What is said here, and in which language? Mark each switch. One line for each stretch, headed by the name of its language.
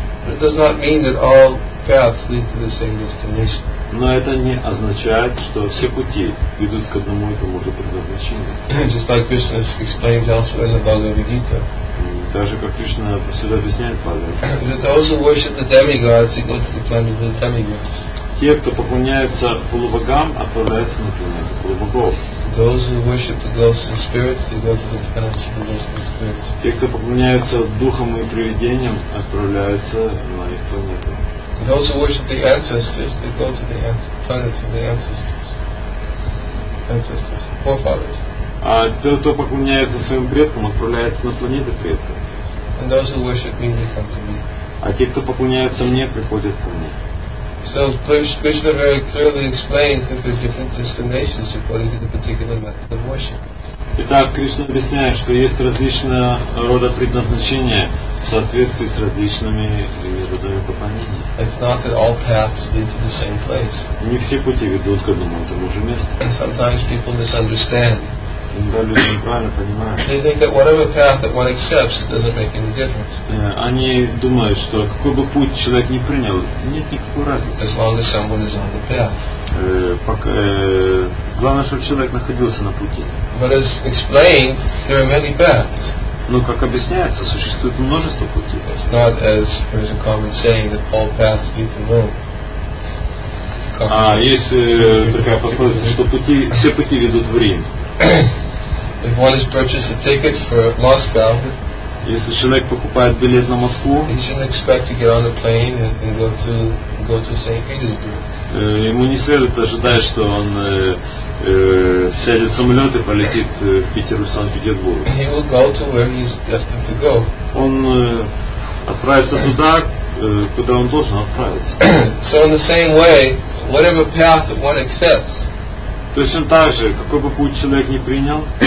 English: It does not mean that all paths lead to the same destination.
Russian: Но это не означает, что все пути ведут к одному и тому же предназначению.
English: Just like Krishna explains elsewhere in the Bhagavad Gita.
Russian: Даже как Кришна сюда объясняет Бхагавад-гиту.
English: Those who worship the demigods, they go to the planet of the demigods.
Russian: Те, кто поклоняется полубогам, отправляются на планету полубогов.
English: Those who worship the ghosts and spirits, they go to the planet of the ghosts and spirits.
Russian: Те, кто поклоняются духам и привидениям, отправляются на их планету.
English: Those who worship the ancestors, they go to the planet of the ancestors. Ancestors, forefathers.
Russian: А тот, кто поклоняется своим предкам, отправляется на планету предков.
English: And those who worship me, they come to me.
Russian: А те, кто поклоняется мне, приходят ко мне.
English: So Krishna very clearly explains that there are different destinations according to the particular method of worship.
Russian: Итак, Кришна объясняет, что есть различные рода предназначения в соответствии с различными методами поклонения.
English: It's not that all paths lead to the same place.
Russian: Не все пути ведут к одному и тому же месту.
English: And sometimes people misunderstand.
Russian: Иногда люди неправильно понимают.
English: They think that whatever path that one accepts doesn't make any difference.
Russian: Они думают, что какой бы путь человек не принял, нет никакой разницы.
English: As long as someone is on the path.
Russian: Главное, чтобы человек находился на пути.
English: But as explained, there are many paths.
Russian: Но как объясняется, существует множество путей.
English: It's not as there is a common saying that all paths lead to Rome.
Russian: А есть такая пословица, что пути, все пути ведут в Рим.
English: If one has purchased a ticket for Moscow,
Russian: если человек покупает билет на Москву,
English: he shouldn't expect to get on the plane and go to St. Petersburg.
Russian: Ему не следует ожидать, что он сядет в самолет и полетит в Питер или Санкт-Петербург.
English: He will go to where he is destined to go.
Russian: Он отправится туда, куда он должен отправиться.
English: So in the same way, whatever path that one accepts.
Russian: Точно так же, какой бы путь человек не принял,